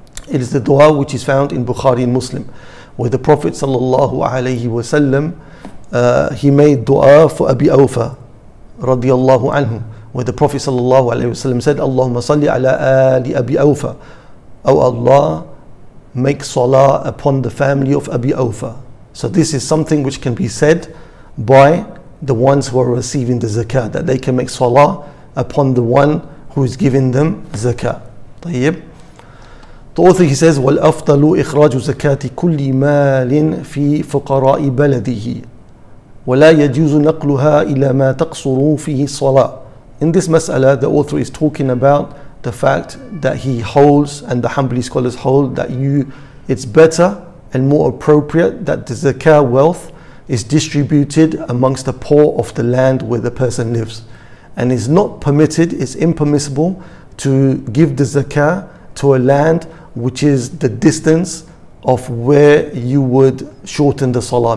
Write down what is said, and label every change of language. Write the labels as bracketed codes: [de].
[en] It is the dua which is found in Bukhari and Muslim, where the Prophet sallallahu alayhi wa sallam, he made dua for Abi Awfa radiyallahu anhu, where the Prophet sallallahu alayhi wa sallam said, [ar] Allahumma salli ala ali Abi Awfa. [en] Oh Allah, make salah upon the family of Abi Awfa. So this is something which can be said by the ones who are receiving the zakah, that they can make salah upon the one who is giving them zakah. طيب. The author, he says, [ar] وَالْأَفْضَلُ إِخْرَاجُ زَكَاةِ كُلِّ مَالٍ فِي فُقَرَاءِ بَلَدِهِ وَلَا يَجُوزُ نَقْلُهَا إِلَى مَا تَقْصُرُ فِيهِ صَلَاةِ. [en] In this mas'ala, the author is talking about the fact that he holds, and the Hanbali scholars hold, that it's better and more appropriate that the zakah wealth is distributed amongst the poor of the land where the person lives. And is not permitted, it's impermissible to give the zakah to a land which is the distance of where you would shorten the salah.